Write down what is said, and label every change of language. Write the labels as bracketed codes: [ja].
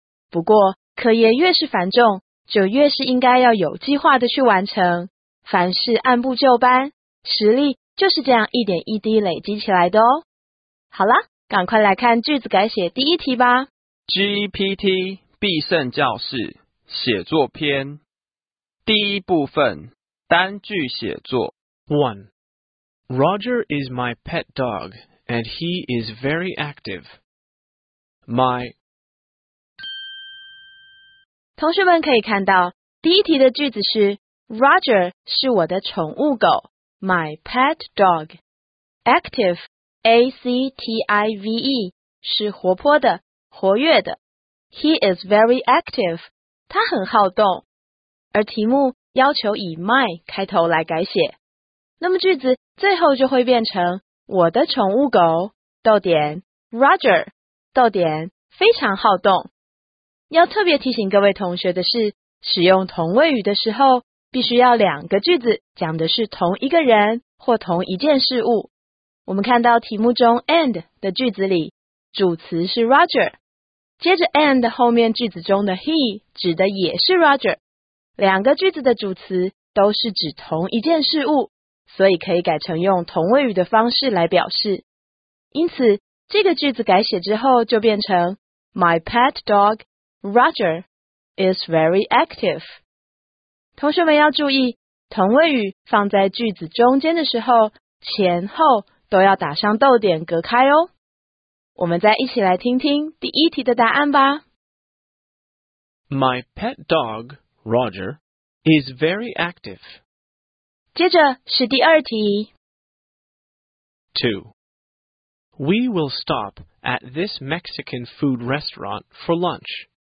[zh] 不过课业越是繁重，就越是应该要有计划的去完成，凡事按部就班，实力就是这样一点一滴累积起来的哦。好啦，赶快来看句子改写第一题吧。 GPT 必胜教室写作篇第一部分单句写作。 1. [en] Roger is my pet dog and he is very active. [zh] 同学们可以看到，第一题的句子是 Roger 是我的宠物狗， my pet dog. Active A-C-T-I-V-E 是活泼的，活跃的。 [en] He is very active， [zh] 他很好动。而题目要求以 my 开头来改写，那么句子最后就会变成我的宠物狗逗点 Roger 逗点非常好动。要特别提醒各位同学的是，使用同位语的时候必须要两个句子讲的是同一个人或同一件事物。我们看到题目中 and 的句子里，主词是 Roger， 接着 and 后面句子中的 he 指的也是 Roger， 两个句子的主词都是指同一件事物，所以可以改成用同位语的方式来表示。因此这个句子改写之后就变成 [en] My pet dog Roger is very active。 [zh] 同学们要注意，同位语放在句子中间的时候，前后都要打上逗点隔开哦。我们再一起来听听第一题的答案吧。 [en] My pet dog, Roger, is very active. [zh] 接着是第二题。 2. [en] We will stop at this Mexican food restaurant for lunch.